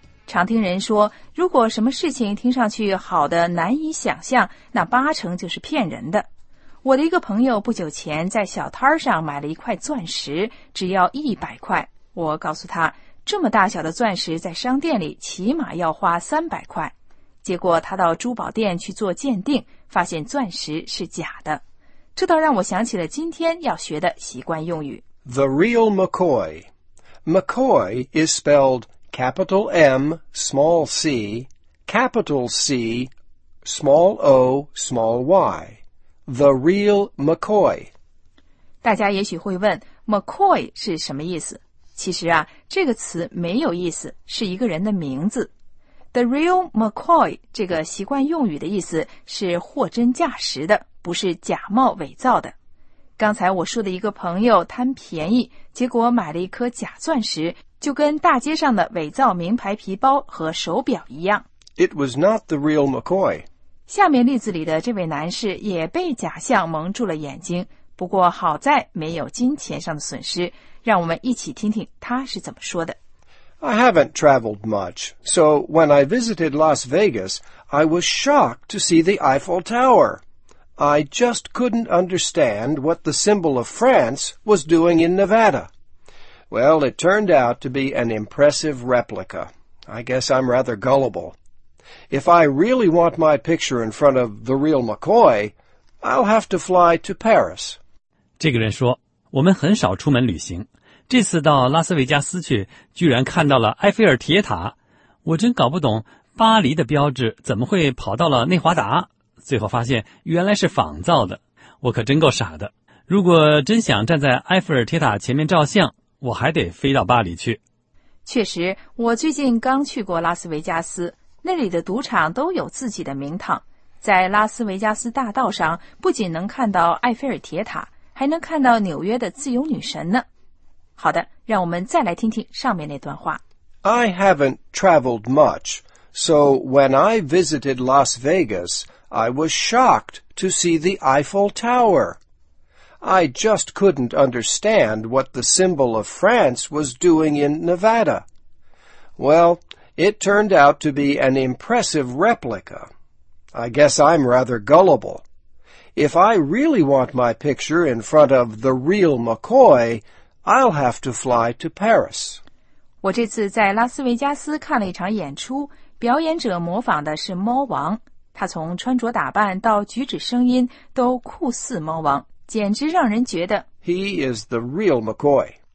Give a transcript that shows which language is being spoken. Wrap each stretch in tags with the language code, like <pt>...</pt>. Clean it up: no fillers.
<zh>常听人说如果什么事情听上去好的难以想象那八成就是骗人的我的一个朋友不久前在小摊上买了一块钻石只要100块我告诉他这么大小的钻石在商店里起码要花300块。结果他到珠宝店去做鉴定，发现钻石是假的。这倒让我想起了今天要学的习惯用语。</zh> <en>The real McCoy. McCoy is spelled capital M, small c, capital C, small o, small y. The real McCoy.</en> <zh>大家也许会问 McCoy 是什么意思？其实啊，这个词没有意思，是一个人的名字。</zh> <en>The real McCoy</en> <zh>这个习惯用语的意思是货真价实的，不是假冒伪造的。刚才我说的一个朋友贪便宜，结果买了一颗假钻石，就跟大街上的伪造名牌皮包和手表一样。</zh> <en>It was not the real McCoy.</en> <zh>下面例子里的这位男士也被假象蒙住了眼睛，不过好在没有金钱上的损失。让我们一起听听他是怎么说的。</zh> <en>I haven't traveled much, so when I visited Las Vegas, I was shocked to see the Eiffel Tower. I just couldn't understand what the symbol of France was doing in Nevada. Well, it turned out to be an impressive replica. I guess I'm rather gullible. If I really want my picture in front of the real McCoy, I'll have to fly to Paris.</en> <zh>这个人说我们很少出门旅行，这次到拉斯维加斯去，居然看到了埃菲尔铁塔。我真搞不懂巴黎的标志怎么会跑到了内华达，最后发现原来是仿造的。我可真够傻的，如果真想站在埃菲尔铁塔前面照相，我还得飞到巴黎去。确实，我最近刚去过拉斯维加斯，那里的赌场都有自己的名堂。在拉斯维加斯大道上，不仅能看到埃菲尔铁塔，还能看到纽约的自由女神呢。好的，让我们再来听听上面那段话。</zh> <en>I haven't traveled much, so when I visited Las Vegas, I was shocked to see the Eiffel Tower. I just couldn't understand what the symbol of France was doing in Nevada. Well, It turned out to be an impressive replica. I guess I'm rather gullible. If I really want my picture in front of the real McCoy, I'll have to fly to Paris.</en> <zh>我这次在拉斯维加斯看了一场演出，表演者模仿的是猫王。他从穿着打扮到举止声音都酷似猫王，简直让人觉得</zh> <en>He is the real McCoy.</en>